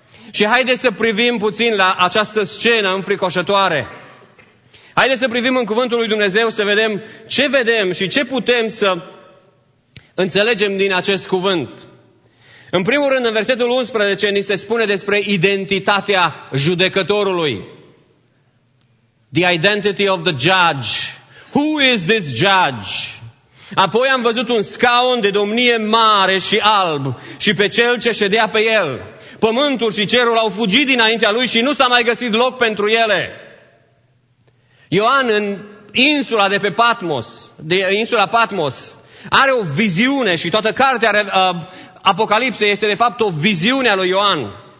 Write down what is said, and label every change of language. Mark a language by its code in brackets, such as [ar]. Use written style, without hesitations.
[ro] Și haideți să privim puțin la această scenă înfricoșătoare. Haideți să privim în Cuvântul lui Dumnezeu să vedem ce vedem și ce putem să înțelegem din acest cuvânt. În primul rând, în versetul 11, ni se spune despre identitatea judecătorului. [en] The identity of the judge. Who is this judge? [ro] Apoi am văzut un scaun de domnie mare și alb și pe cel ce ședea pe el. Pământul și cerul au fugit dinaintea lui și nu s-a mai găsit loc pentru ele. Ioan, în insula de pe Patmos, de insula Patmos, are o viziune și toată cartea Apocalipsei este de fapt o viziune a lui Ioan.